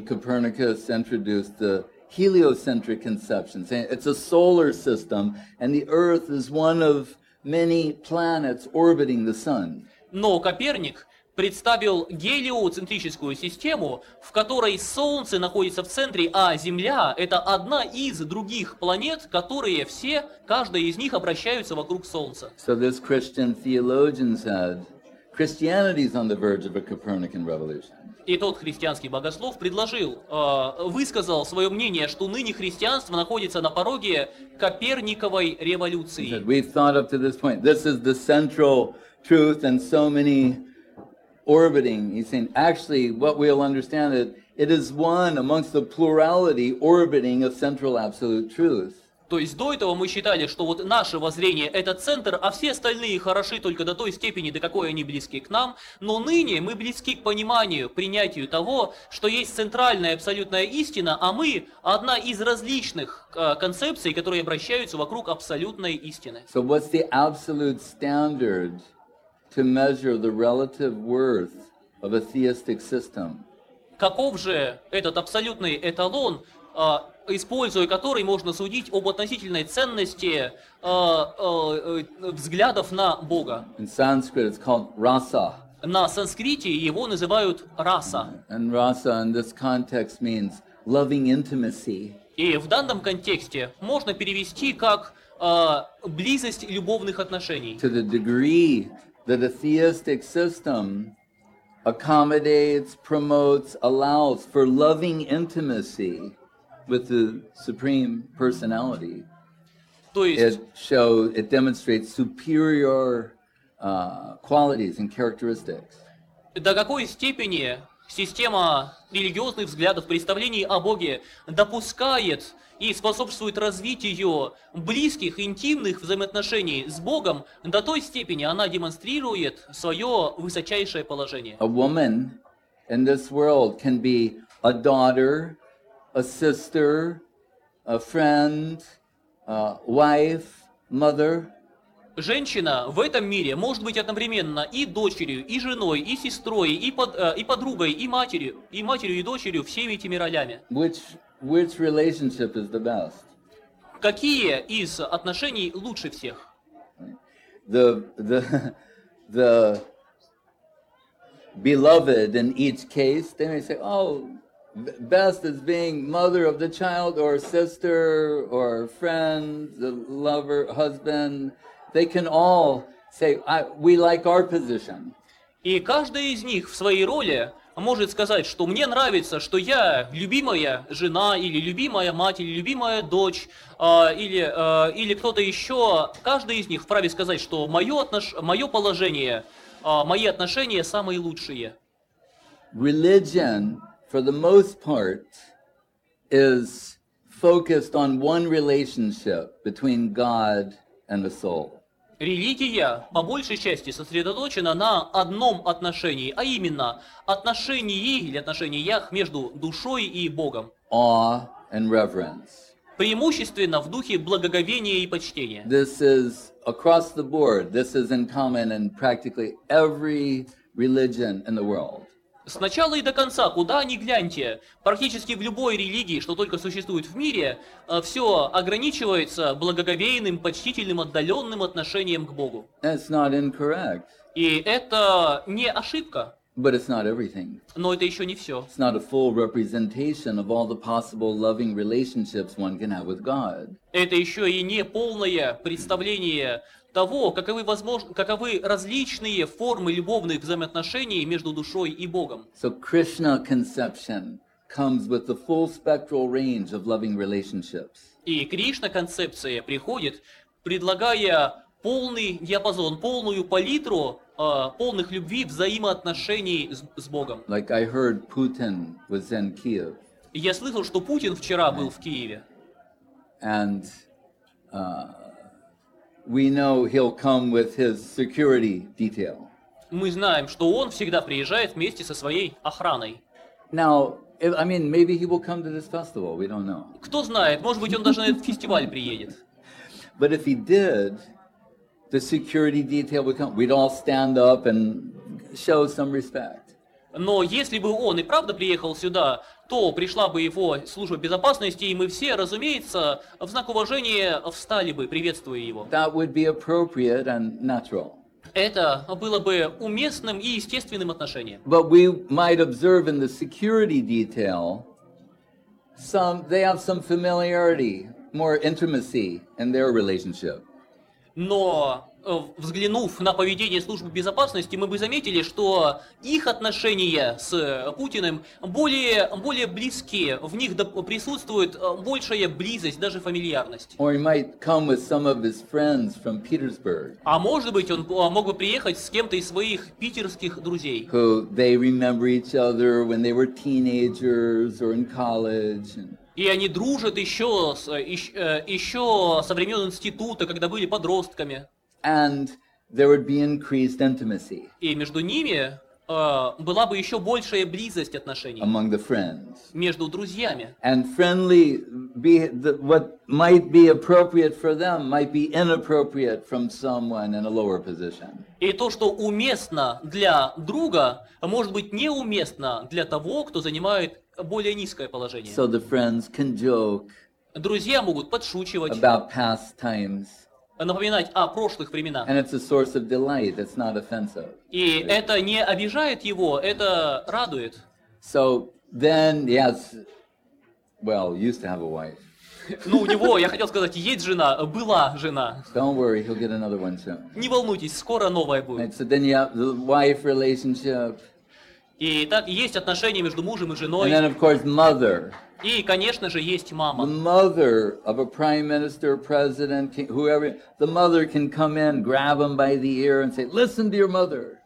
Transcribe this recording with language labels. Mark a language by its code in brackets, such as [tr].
[en] And Copernicus introduced the heliocentric conception, saying it's a solar system and the Earth is one of many planets orbiting the sun. [ru] Но Коперник представил гелиоцентрическую систему, в которой Солнце находится в центре, а Земля — это одна из других планет, которые все, каждая из них, обращаются вокруг Солнца. [en] So this Christian theologian said, Christianity is on the verge of a Copernican revolution. [ru] И тот христианский богослов высказал свое мнение, что ныне христианство находится на пороге Коперниковой революции. [en] We've thought up to this point, this is the central truth and so many orbiting. He's saying, actually, what we'll understand is, it is one amongst the plurality orbiting of central absolute truth. [ru] То есть до этого мы считали, что вот наше воззрение – это центр, а все остальные хороши только до той степени, до какой они близки к нам. Но ныне мы близки к пониманию, принятию того, что есть центральная абсолютная истина, а мы – одна из различных концепций, которые обращаются вокруг абсолютной истины. [en] So what's the absolute standard to measure the relative worth of a theistic system? [ru] Каков же этот абсолютный эталон, используя который можно судить об относительной ценности взглядов на Бога. [en] In Sanskrit it's called rasa. [ru] На санскрите его называют раса. [en] And rasa in this context means loving intimacy. [ru] И в данном контексте можно перевести как близость любовных отношений. [en] To the degree that a theistic system accommodates, promotes, allows for loving intimacy with the supreme personality, it demonstrates superior qualities and characteristics. [ru] До какой степени система религиозных взглядов, представлений о Боге допускает и способствует развитию близких, интимных взаимоотношений с Богом, до той степени она демонстрирует свое высочайшее положение. [en] A woman in this world can be a daughter, a sister, a friend, a wife, mother. [ru] Женщина в этом мире может быть одновременно и дочерью, и женой, и сестрой, и подругой, и матерью, и дочерью всеми этими ролями. [en] Which relationship is the best? [ru] Какие из отношений лучше всех? [en] The beloved in each case, they may say, oh, best is being mother of the child or sister or friend, the lover, husband. They can all say, we like our position. [ru] И каждый из них в своей роли может сказать, что мне нравится, что я любимая жена, или любимая мать, или любимая дочь, или кто-то еще. Каждый из них вправе сказать, что мое положение, мои отношения самые лучшие. [en] Religion, for the most part, is focused on one relationship between God and the soul. [ru] Религия, по большей части, сосредоточена на одном отношении, а именно отношении или отношениях между душой и Богом. [en] Awe and reverence. [ru] Преимущественно в духе благоговения и почтения. [en] This is across the board, this is in common in practically every religion in the world. [ru] С начала и до конца, куда ни гляньте, практически в любой религии, что только существует в мире, все ограничивается благоговейным, почтительным, отдаленным отношением к Богу. [en] That's not incorrect. [ru] И это не ошибка. [en] But it's not everything. [ru] Но это еще не все. [en] It's not a full representation of all the possible loving relationships one can have with God. [ru] Это еще и не полное представление того, каковы различные формы любовных взаимоотношений между душой и Богом. [en] So Krishna conception comes with the full spectral range of loving relationships. [ru] И Кришна концепция приходит, предлагая полный диапазон, полную палитру полных любви взаимоотношений с Богом. [en] Like I heard Putin was in Kiev. [ru] Я слышал, что Путин вчера был в Киеве. [en] And we know he'll come with his security detail. [ru] Мы знаем, что он всегда приезжает вместе со своей охраной. [en] Now, I mean, maybe he will come to this festival. We don't know. [ru] Кто знает, может быть, он даже на этот фестиваль приедет. [en] But if he did, the security detail would come. We'd all stand up and show some respect. [ru] Но если бы он и правда приехал сюда, то пришла бы его служба безопасности, и мы все, разумеется, в знак уважения встали бы, приветствуя его. [en] That would be appropriate and natural. [ru] Это было бы уместным и естественным отношением. [en] But we might observe in the security detail they have some familiarity, more intimacy in their relationship. [ru] Но взглянув на поведение службы безопасности, мы бы заметили, что их отношения с Путиным более близкие, в них присутствует большая близость, даже фамильярность. А может быть, он мог бы приехать с кем-то из своих питерских друзей, [en] who they remember each other when they were teenagers or in college. [ru] И они дружат еще со времен института, когда были подростками. [en] And there would be increased intimacy. [ru] И между ними была бы еще большая близость отношений. [en] Among the friends. [ru] Между друзьями. [en] And friendly what might be appropriate for them might be inappropriate from someone in a lower position. [ru] И то, что уместно для друга, может быть неуместно для того, кто занимает более низкое положение. [en] So the friends can joke. [ru] Друзья могут подшучивать. [en] About past times. [ru] Напоминать о прошлых временах. [en] And it's a source of delight. It's not offensive. [ru] И это не обижает его, это радует. [en] So then, yes, well, used to have a wife. [ru] Ну, у него, я хотел сказать, есть жена, была жена. [en] Don't worry, he'll get another one soon. [ru] Не волнуйтесь, скоро новая будет. [en] And so then you have the wife relationship. [ru] И так есть отношения между мужем и женой. [en] And then, of course, mother. [ru] И, конечно же, есть мама. [en] The mother of a prime minister, president, whoever, the mother can come in, grab him by the ear and say, listen to your mother.